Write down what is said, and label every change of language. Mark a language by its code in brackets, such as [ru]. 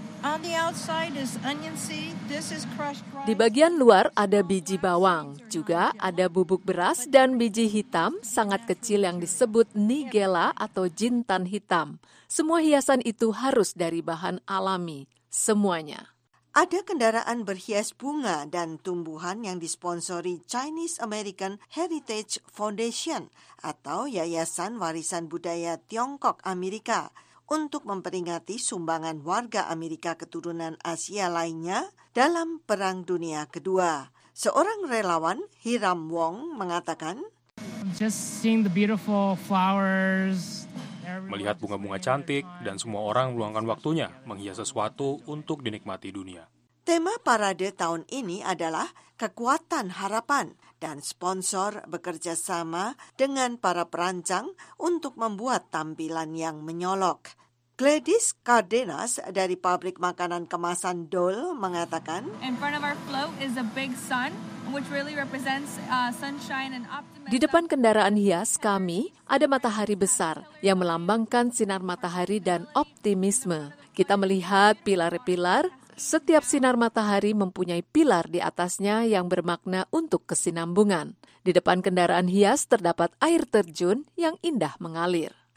[en] on the outside is onion seed. This is crushed rice. [id] Di bagian luar ada biji bawang, juga ada bubuk beras dan biji hitam sangat kecil yang disebut nigella atau jintan hitam. Semua hiasan itu harus dari bahan alami, semuanya. Ada kendaraan berhias bunga dan tumbuhan yang disponsori Chinese American Heritage Foundation atau Yayasan Warisan Budaya Tiongkok Amerika. Untuk memperingati sumbangan warga Amerika keturunan Asia lainnya dalam Perang Dunia Kedua. Seorang relawan, Hiram Wong, mengatakan, [en] just seeing the beautiful flowers. [id] Melihat bunga-bunga cantik dan semua orang meluangkan waktunya menghias sesuatu untuk dinikmati dunia. Tema parade tahun ini adalah kekuatan harapan dan sponsor bekerja sama dengan para perancang untuk membuat tampilan yang menyolok. Gladys Cardenas dari pabrik makanan kemasan Dole mengatakan, [en] in front of our float is a big sun, which really represents sunshine and optimism. [id] Di depan kendaraan hias kami ada matahari besar yang melambangkan sinar matahari dan optimisme. Kita melihat pilar-pilar. Setiap sinar matahari mempunyai pilar di atasnya yang bermakna untuk kesinambungan. Di depan kendaraan hias terdapat air terjun yang indah mengalir.